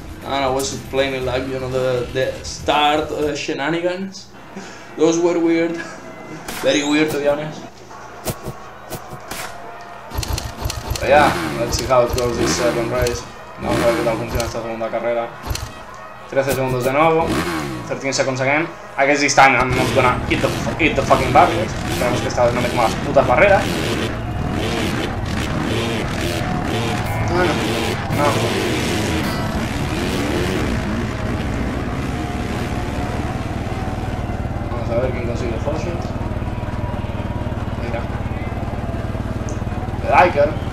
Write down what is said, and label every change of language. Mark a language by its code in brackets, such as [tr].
[en] And I was playing it like, you know, the start shenanigans. Those were weird. Very weird, to be honest. But yeah, let's see how it goes this second race. [es] Vamos a ver cómo funciona esta segunda carrera. 13 segundos de nuevo. [en] 13 seconds again. I guess this time I'm not gonna eat the fucking barriers. [es] Esperemos que esta vez no me coma las putas barreras. No. A ver quién consigue el Fawcett. Mira. El Iker.